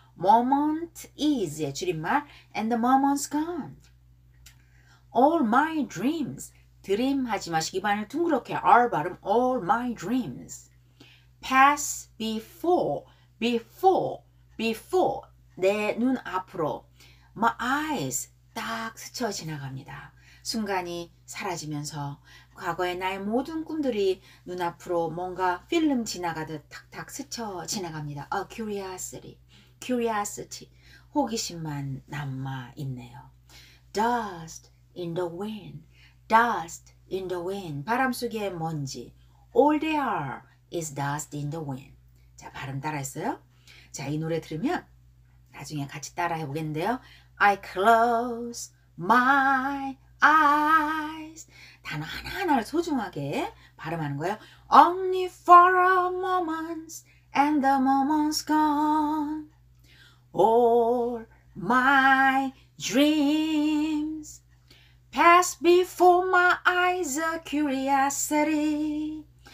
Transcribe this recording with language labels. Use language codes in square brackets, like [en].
[en] Moment is [ko] 줄임말. [en] And the moment's gone. All my dreams. [ko] Dream 하지 마시기 바랍니다. 둥그렇게 R 발음. [en] All my dreams. Pass before. Before. Before. [ko] 내 눈 앞으로. [en] My eyes. [ko] 딱 스쳐 지나갑니다. 순간이 사라지면서 과거의 나의 모든 꿈들이 눈앞으로 뭔가 필름 지나가듯 탁탁 스쳐 지나갑니다. [en] A curiosity. Curiosity. [ko] 호기심만 남아 있네요. [en] Dust in the wind. Dust in the wind. [ko] 바람 속에 먼지. [en] All they are is dust in the wind. [ko] 자, 발음 따라 했어요? 자, 이 노래 들으면 나중에 같이 따라 해보겠는데요. [en] I close my eyes. [ko] 단 하나하나를 소중하게 발음하는 거예요. [en] Only for a moment and the moment's gone. All my dreams pass before my eyes a curiosity.